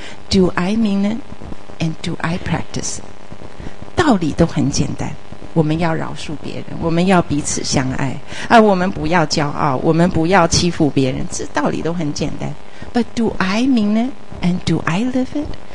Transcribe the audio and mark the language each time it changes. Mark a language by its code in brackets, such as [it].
[en] Do I mean it and do I practice? [zh] 道理都很简单，我们要饶恕别人，我们要彼此相爱，我们不要骄傲，我们不要欺负别人，这道理都很简单。 [en] But do I mean it and do I live it?